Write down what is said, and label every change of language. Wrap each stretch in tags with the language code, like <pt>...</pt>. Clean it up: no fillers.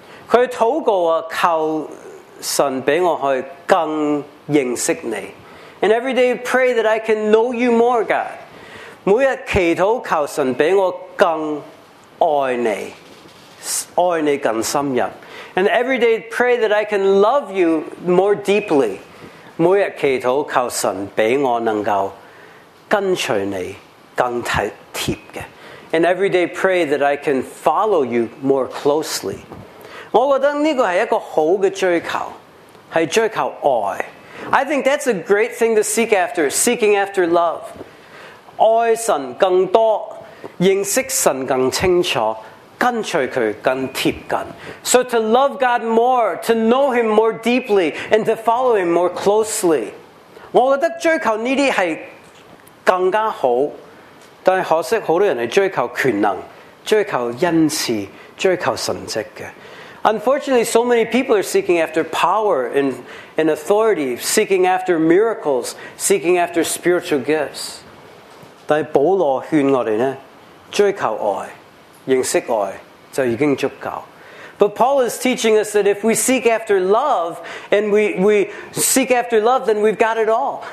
<yue>佢祷告啊，求神俾我去更认识你。</yue> <en>And every day pray that I can know you more, God.</en> <yue>每日祈祷求神俾我更爱你，爱你更深入。</yue> <en>And every day pray that I can love you more deeply.</en> <yue>每日祈祷求神俾我能够跟随你更贴嘅。</yue> <en>And every day pray that I can follow you more closely.</en> <yue>我觉得呢个系一个好嘅追求，系追求爱。</yue> <en>I think that's a great thing to seek after, seeking after love.</en> <yue>爱神更多，认识神更清楚，跟随祂更贴近。</yue> <en>So to love God more, to know Him more deeply, and to follow Him more closely.</en> <yue>我觉得追求呢啲系更加好，但系可惜好多人系追求权能，追求恩赐，追求神迹嘅。</yue> <en>Unfortunately, so many people are seeking after power and authority, seeking after miracles, seeking after spiritual gifts.</en> <yue>但保罗劝我哋呢，追求爱，认识爱就已经足够。</yue> <en>But Paul is teaching us that if we seek after love and we seek after love, then we've got it all.</en>